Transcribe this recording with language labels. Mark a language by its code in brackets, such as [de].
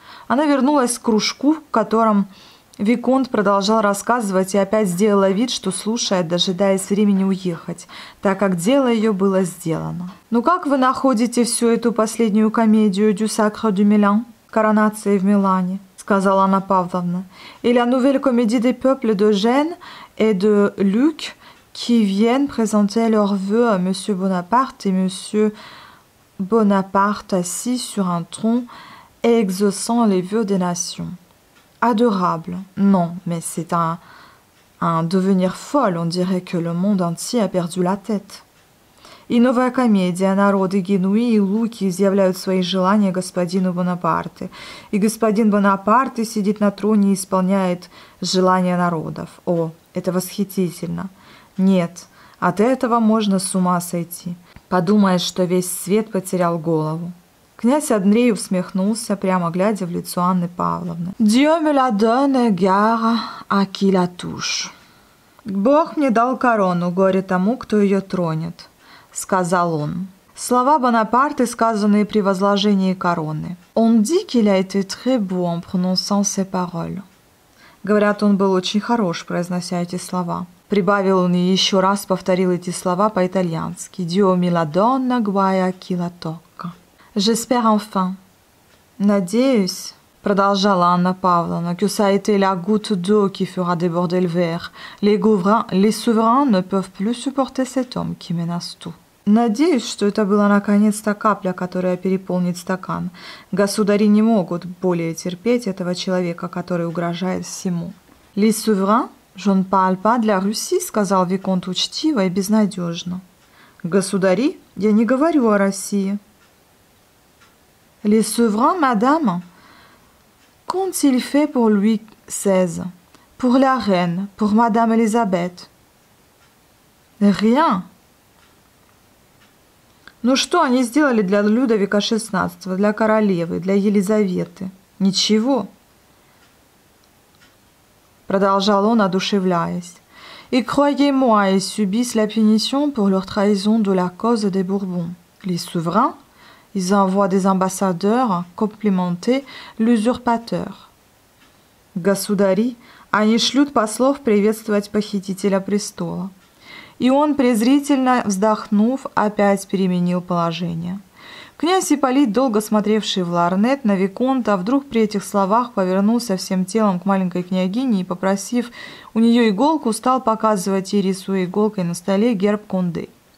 [ru] Она вернулась к кружку, в котором виконт продолжал рассказывать и опять сделала вид, что слушает, дожидаясь времени уехать, так как дело ее было сделано. «Ну как вы находите всю эту последнюю комедию [fr] «Du Sacre du Milan» [ru] – «Коронация в Милане»?» – сказала Анна Павловна. [fr] «И la nouvelle comédie des peuples de Jeanne et de Luc qui viennent présenter leurs vœux à Monsieur Bonaparte et Monsieur Bonaparte assis sur un tronc et exauçant les vœux des nations». Adorable. Non, mais c'est un devenir folle. On dirait que le monde entier a perdu la tête. [ru] И новая комедия «Народы Генуи и Луки изъявляют свои желания господину Бонапарте». И господин Бонапарте сидит на троне и исполняет желания народов. О, это восхитительно. Нет, от этого можно с ума сойти. Подумаешь, что весь свет потерял голову. Князь Андрей усмехнулся, прямо глядя в лицо Анны Павловны. [fr] «Dieu me la donne, gare à qui la touche». [ru] «Бог мне дал корону, горе тому, кто ее тронет», — сказал он. Слова Бонапарта, сказанные при возложении короны. [fr] «On dit qu'il a été très beau en prononçant ces paroles». [ru] Говорят, он был очень хорош, произнося эти слова. Прибавил он и еще раз повторил эти слова по-итальянски. [fr] «Dieu me la donne, guai à qui la touche». «J'espère enfin». [ru] «Надеюсь», — продолжала Анна Павловна, [fr] «que ça a été la goutte d'eau qui fera déborder le verre. Les souverains ne peuvent plus supporter cet homme qui menace tout». [ru] «Надеюсь, что это была наконец-то капля, которая переполнит стакан. Государи не могут более терпеть этого человека, который угрожает всему». [fr] «Les souverains? Je ne parle pas de la Russie», — [ru] сказал виконт учтиво и безнадежно. «Государи? Я не говорю о России». [fr] «Les souverains, madame, qu'ont-il fait pour Louis XVI, pour la reine, pour madame Elisabeth? Rien. [ru] Ну что они сделали для Людовика XVI, для королевы, для Елизаветы? Ничего», продолжал он, одушевляясь. [fr] «Et croyez-moi, ils subissent la punition pour leur trahison de la cause des Bourbons. Les souverains? Ils envoient des ambassadeurs complimenter l'usurpateur. [ru] Государи, они шлют послов приветствовать похитителя престола». И он, презрительно вздохнув, опять переменил положение. Князь Ипполит, долго смотревший в лорнет на виконта, вдруг при этих словах повернулся всем телом к маленькой княгине и, попросив у нее иголку, стал показывать ей, рисуя иголкой на столе, герб Конде.